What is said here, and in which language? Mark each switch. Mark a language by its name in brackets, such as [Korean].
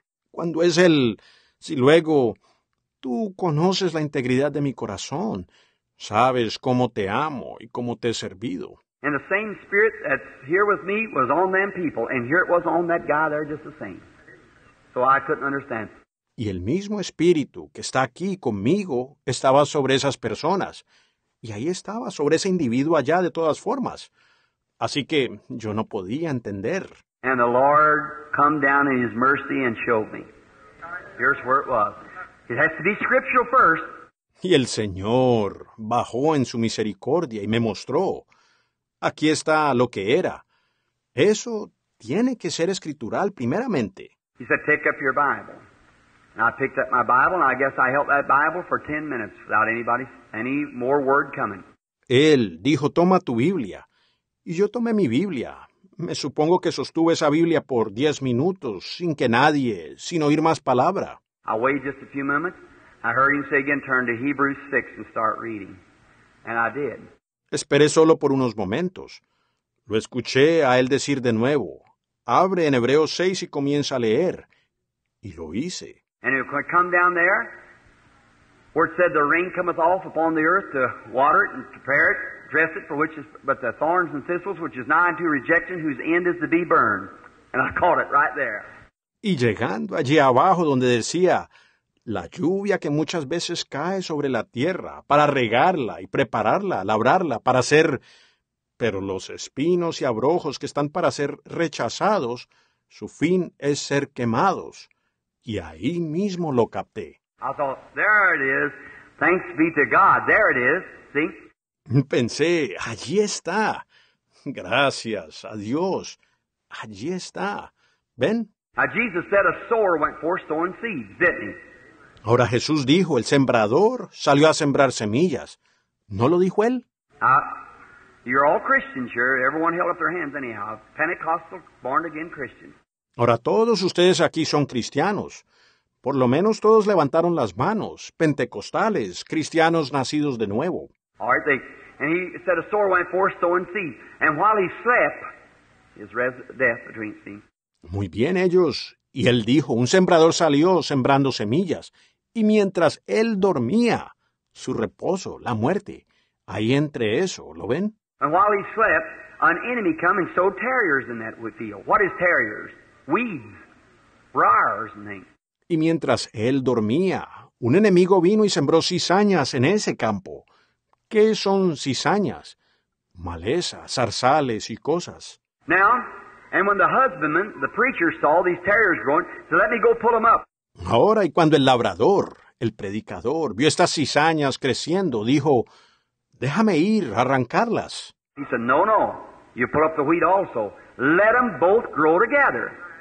[Spanish] Cuando es el, si luego, tú conoces la integridad de mi corazón, sabes cómo te amo y cómo te he servido. [English] And the same spirit that's here with me was on them people, and here it was on that guy there just the same. So I couldn't understand. [Spanish] Y el mismo espíritu que está aquí conmigo estaba sobre esas personas. Y ahí estaba, sobre ese individuo allá de todas formas. Así que yo no podía entender. [English] And the Lord come down in His mercy and showed me. Here's where it was. It has to be scriptural first. [Spanish] Y el Señor bajó en su misericordia y me mostró. Aquí está lo que era. Eso tiene que ser escritural primeramente. [English] He said, pick up your Bible. And I picked up my Bible, and I guess I held that Bible for 10 minutes without anybody, any more word coming. [Spanish] Él dijo, toma tu Biblia. Y yo tomé mi Biblia. Me supongo que sostuve esa Biblia por 10 minutos, sin que nadie, sin oír más palabra. [English] I waited just a few moments. I heard him say again, turn to Hebrews 6 and start reading. And I did. [Spanish] Esperé solo por unos momentos. Lo escuché a él decir de nuevo, abre en Hebreos 6 y comienza a leer. Y lo hice. [English] And it could come down there, where it said the rain cometh off upon the earth to water it and prepare it, dress it, for which is but the thorns and thistles, which is nigh unto rejection, whose end is to be burned. And I caught it right there. [Spanish] Y llegando allí abajo donde decía, la lluvia que muchas veces cae sobre la tierra para regarla y prepararla, labrarla, para ser, pero los espinos y abrojos que están para ser rechazados, su fin es ser quemados. Y ahí mismo lo capté. [English] I thought, there it is. Thanks be to God. There it is. See? [Spanish] Pensé, allí está. Gracias a Dios. Allí está. ¿Ven? [English] Now Jesus said a sower went forth sowing seeds, didn't he? [Spanish] Ahora Jesús dijo, el sembrador salió a sembrar semillas. ¿No lo dijo él? [English] You're all Christians here. Everyone held up their hands anyhow. Pentecostal, born again Christians. [Spanish] Ahora todos ustedes aquí son cristianos. Por lo menos todos levantaron las manos, pentecostales, cristianos nacidos de nuevo. [English] All right, and he said a sower went forth sowing seed. And while he slept, his death between seed. [Spanish] Muy bien, ellos. Y él dijo, un sembrador salió sembrando semillas, y mientras él dormía, su reposo, la muerte, ahí entre eso, ¿lo ven? [English] And while he slept, an enemy came and sowed tares in that field. What is tares? Weeds. Briars, name. [Spanish] Y mientras él dormía, un enemigo vino y sembró cizañas en ese campo. ¿Qué son cizañas? Maleza, zarzales y cosas. [English] Now, and when the husbandman, the preacher, saw these tares growing, so let me go pull them up. [Spanish] Ahora, y cuando el labrador, el predicador, vio estas cizañas creciendo, dijo, déjame ir, arrancarlas. [English] He said, no, no, you pull up the wheat also. Let them both grow together.